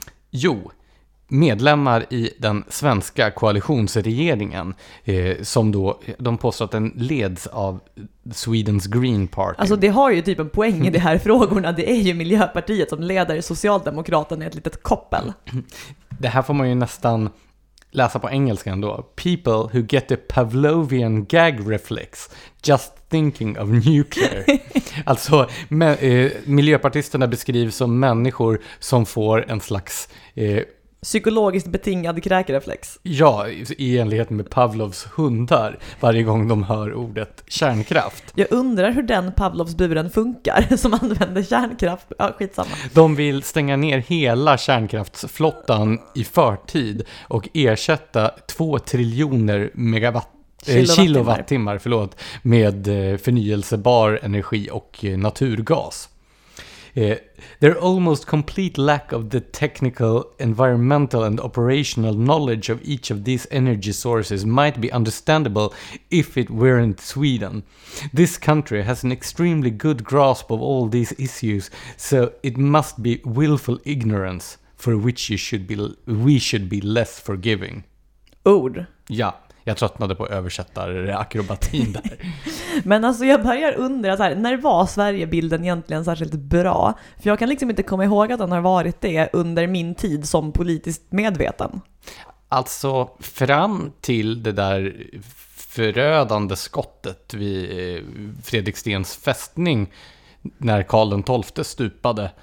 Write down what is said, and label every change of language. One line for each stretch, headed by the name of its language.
Swedish: Jo, medlemmar i den svenska koalitionsregeringen som då, de påstår att den leds av Sweden's Green Party. Alltså det har ju typ en poäng i de här frågorna. Det är ju Miljöpartiet som leder Socialdemokraterna i ett litet koppel. Det här får man ju nästan läsa på engelska ändå.
English: People who get the Pavlovian gag reflex just thinking of nuclear.
Swedish: Alltså, miljöpartisterna beskrivs som människor som får en slags psykologiskt betingad kräkreflex. Ja, i enlighet med Pavlovs hundar varje gång de hör ordet kärnkraft. Jag undrar hur den Pavlovs buren funkar som använder kärnkraft. Ja, skitsamma. De vill stänga ner hela kärnkraftsflottan i förtid och ersätta 2 triljoner megawatt kilowattimmar, förlåt, med förnyelsebar energi och naturgas.
English: Their almost complete lack of the technical, environmental and operational knowledge of each of these energy sources might be understandable if it weren't Sweden. This country has an extremely good grasp of all these issues, so it must be willful ignorance for which you should be, we should be less forgiving.
Swedish: Ord. Ja, jag tröttnade på översättarakrobatin där. Men alltså jag börjar undra, så här, när var Sverigebilden egentligen särskilt bra? För jag kan liksom inte komma ihåg att den har varit det under min tid som politiskt medveten. Alltså fram till det där förödande skottet vid Fredrikstens fästning när Karl den XII stupade.